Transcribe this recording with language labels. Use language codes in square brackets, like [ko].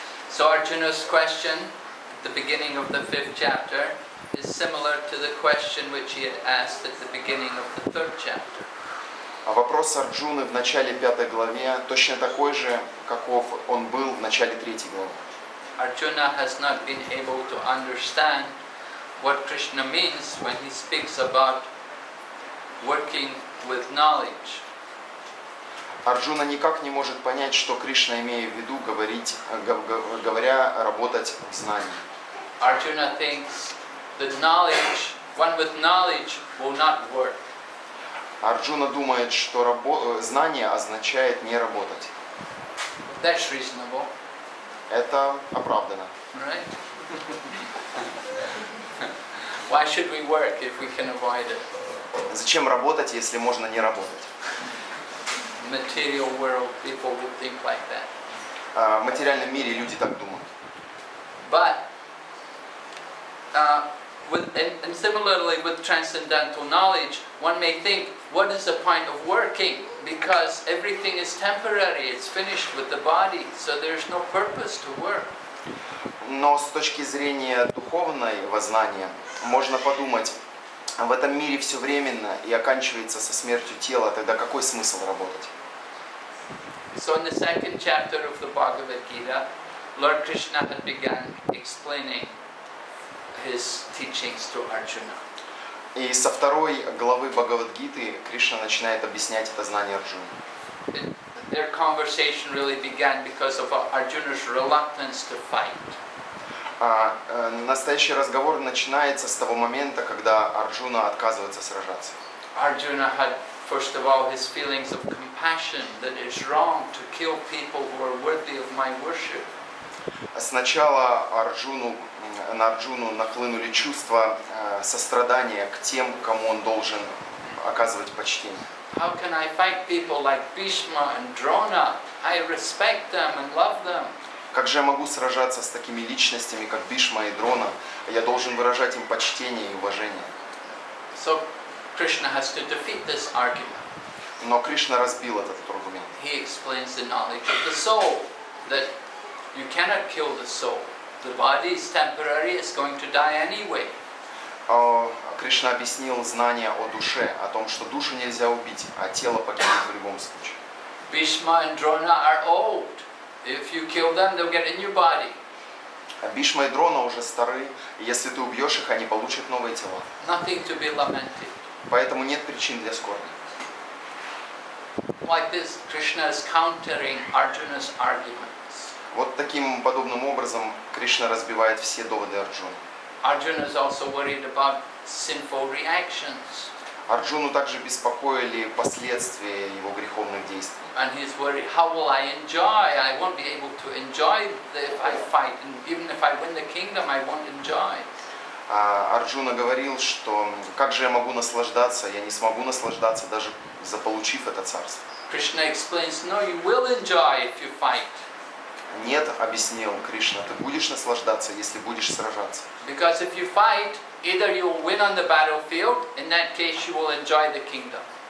[en] So Arjuna's question at the beginning of the 5th chapter is similar to the question which he had asked at the beginning of the 3rd chapter. [ru] Вопрос Арджуны в начале пятой главе точно такой же, каков он был в начале третьей главы. [en] Arjuna has not been able to understand what Krishna means when he speaks about working with knowledge. [ru] Арджуна никак не может понять, что Кришна имеет в виду, говоря работать в знании. [en] Arjuna thinks that knowledge, one with knowledge, will not work. [ru] Арджуна думает, что знание означает не работать. [en] That's reasonable. [ru] Это оправдано. [en] Right? Why should we work if we can avoid it? [ru] Зачем работать, если можно не работать? [en] Material world people would think like that. [ru] В материальном мире люди так думают. [en] But and similarly with transcendental knowledge, one may think, what is the point of working? Because everything is temporary, it's finished with the body, so there's no purpose to work. [ru] Но с точки зрения духовного знания, можно подумать, в этом мире все временно и оканчивается со смертью тела, тогда какой смысл работать? [en] So in the second chapter of the Bhagavad Gita, Lord Krishna had begun explaining his teachings to Arjuna. [ru] И со второй главы Бхагавад-гиты Кришна начинает объяснять это знание Арджуне. [en] Their conversation really began because of Arjuna's reluctance to fight. [ru] Настоящий разговор начинается с того момента, когда Арджуна отказывается сражаться. [en] Arjuna had first of all his feelings of compassion that it's wrong to kill people who are worthy of my worship. [ru] Сначала на Арджуну нахлынули чувства сострадания к тем, кому он должен оказывать почтение. [en] How can I fight people like Bhishma and Drona? I respect them and love them. [ru] Как же я могу сражаться с такими личностями, как Бишма и Дрона? Я должен выражать им почтение и уважение. [en] So Krishna has to defeat this argument. [ru] Но Кришна разбил этот аргумент. [en] He explains the knowledge of the soul that you cannot kill the soul. The body is temporary, it's going to die anyway. [ru] Кришна объяснил знание о душе, о том, что душу нельзя убить, а тело погибнет в любом случае. [en] Bhishma and Drona are old. If you kill them, they'll get a new body. [ru] Bhishma и Дрона уже стары, и если ты убьешь их, они получат новые тела. [en] Nothing to be lamented. [ru] Поэтому нет причин для скорби. [en] Like this, Krishna is countering Arjuna's argument. [ru] Вот таким подобным образом Кришна разбивает все доводы Арджуны. [en] Arjuna is also worried about sinful reactions. [ru] Арджуну также беспокоили последствия его греховных действий. [en] And he's worried, how will I enjoy? I won't be able to enjoy if I fight, and even if I win the kingdom, I won't enjoy. [ru] Арджуна говорил, что как же я могу наслаждаться? Я не смогу наслаждаться, даже заполучив это царство. [en] Krishna explains, no, you will enjoy if you fight. [ru] Нет, объяснил Кришна, ты будешь наслаждаться, если будешь сражаться. [en] Because if you fight, either you will win on the battlefield, in that case you will enjoy the kingdom.